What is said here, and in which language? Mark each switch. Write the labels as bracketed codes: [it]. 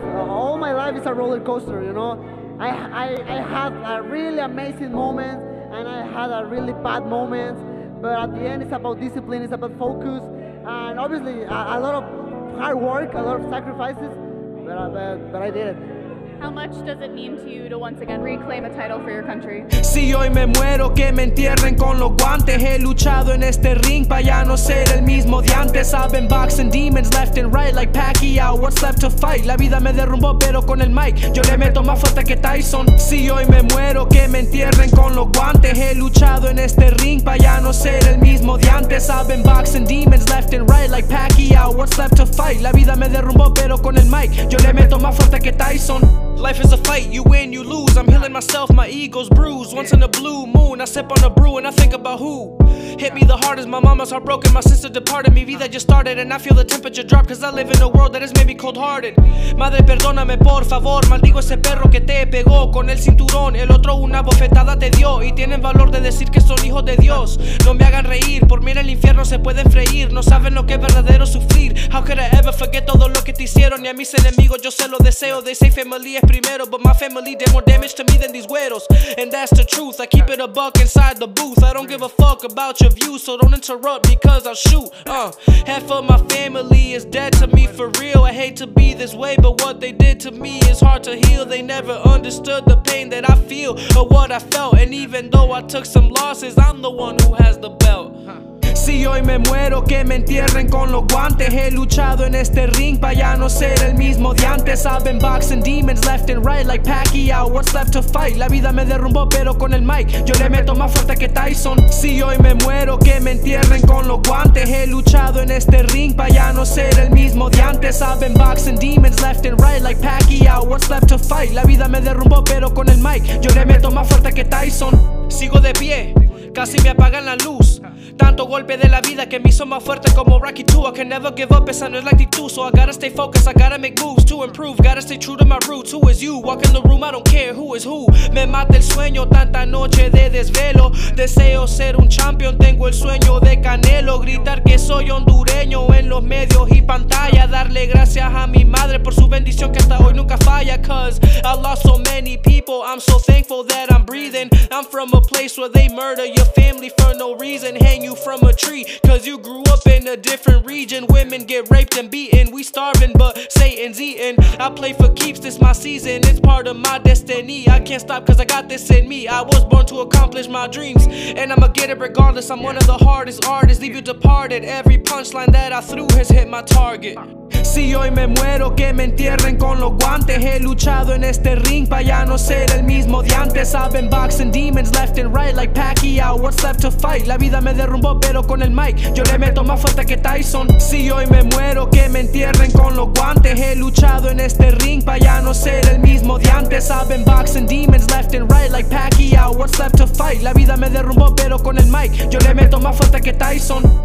[en] All my life is a roller coaster, you know? I had a really amazing moment, and I had a really bad moment. But at the end, it's about discipline, it's about focus, and obviously a lot of hard work, a lot of sacrifices, but I did it. How much does it mean to you to once again reclaim a title for your country? [es] Si hoy me muero, que me entierren con los guantes. He luchado en este ring pa' ya no ser el mismo de antes. [en] I've been boxing demons left and right like Pacquiao. What's left to fight? [es] La vida me derrumbó, pero con el mic yo le meto más fuerte que Tyson. Si hoy me muero, que me entierren con los guantes. He luchado en este ring pa' ya no ser el mismo de antes. I've been boxing demons left and right like Pacquiao. What's left to fight? La vida me derrumbó, pero con el mic yo le meto más fuerte que Tyson. [en] Life is a fight, you win, you lose. I'm healing myself, my ego's bruised. Once in a blue moon, I sip on a brew and I think about who hit me the hardest. My mama's heart broken, my sister departed. [es] Mi vida [en] just started and I feel the temperature drop. Cause I live in a world that has made me cold-hearted. [es] Madre, perdóname, por favor. Maldigo ese perro que te pegó con el cinturón. El otro una bofetada te dio. Y tienen valor de decir que son hijos de Dios. No me hagan reír, por mí en el infierno se pueden freír. No saben lo que es verdadero sufrir. [en] How could I ever forget [es] todo lo que te hicieron? Y a mis enemigos yo se lo deseo. [en] They say family [es] es primero, [en] but my family did more damage to me than these güeros. And that's the truth, I keep it a buck inside the booth. I don't give a fuck about your views, so don't interrupt because I'll shoot. Half of my family is dead to me for real. I hate to be this way, but what they did to me is hard to heal. They never understood the pain that I feel or what I felt. And even though I took some losses, I'm the one who has the belt. [es] Si hoy me muero, que me entierren con los guantes. He luchado en este ring pa' ya no ser el mismo de antes. [en] I've been boxing demons left and right like Pacquiao. What's left to fight? [es] La vida me derrumbó, pero con el mic yo le meto más fuerte que Tyson. Si hoy me muero, que me entierren con los guantes. He luchado en este ring pa' ya no ser el mismo de antes. [en] I've been boxing demons left and right like Pacquiao. What's left to fight? [es] La vida me derrumbó, pero con el mic yo le meto más fuerte que Tyson. Sigo de pie, casi me apagan la luz. Tanto golpe de la vida que me hizo más fuerte como Rocky 2. [en] I can never give up, [es] esa no es la actitud. [en] So I gotta stay focused, I gotta make moves to improve. Gotta stay true to my roots, who is you? Walk in the room, I don't care who is who. [es] Me mata el sueño, tanta noche de desvelo. Deseo ser un champion, tengo el sueño de Canelo. Gritar que soy hondureño en los medios y pantalla. Darle gracias a mi madre por su bendición que hasta hoy nunca falla. [en] Cause I lost so many people, I'm so thankful that I'm breathing. I'm from a place where they murder your family for no reason. Hang you from a tree, cause you grew up in a different region. Women get raped and beaten, we starving but Satan's eating. I play for keeps, this my season, it's part of my destiny. I can't stop cause I got this in me. I was born to accomplish my dreams, and I'ma get it regardless. I'm one of the hardest artists, leave you departed. Every punchline that I threw has hit my target. [es] Si hoy me muero, que me entierren con los guantes. He luchado en este ring pa' ya no ser el mismo de antes. [en] I've been boxing demons left and right like Pacquiao. What's left to fight? [es] La vida me derrumbó, pero con el mic yo le meto más fuerte que Tyson. Si hoy me muero, que me entierren con los guantes. He luchado en este ring pa' ya no ser el mismo de antes. [en] I've been boxing demons left and right like Pacquiao. What's left to fight? [es] La vida me derrumbó, pero con el mic yo le meto más fuerte que Tyson.